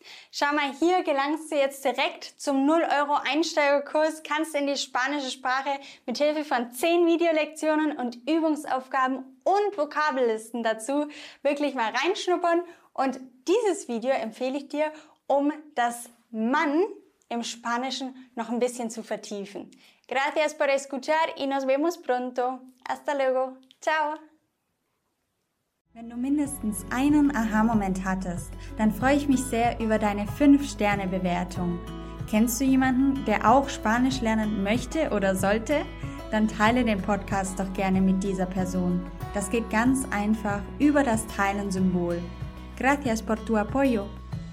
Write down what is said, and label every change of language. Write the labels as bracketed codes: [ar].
[de] Schau mal, hier gelangst du jetzt direkt zum 0-Euro-Einsteigerkurs, kannst in die spanische Sprache mit Hilfe von 10 Videolektionen und Übungsaufgaben und Vokabellisten dazu wirklich mal reinschnuppern. Und dieses Video empfehle ich dir, um das Mann im Spanischen noch ein bisschen zu vertiefen. [es] Gracias por escuchar y nos vemos pronto. Hasta luego. Ciao. [de] Wenn du mindestens einen Aha-Moment hattest, dann freue ich mich sehr über deine 5-Sterne-Bewertung. Kennst du jemanden, der auch Spanisch lernen möchte oder sollte? Dann teile den Podcast doch gerne mit dieser Person. Das geht ganz einfach über das Teilen-Symbol. [es] Gracias por tu apoyo.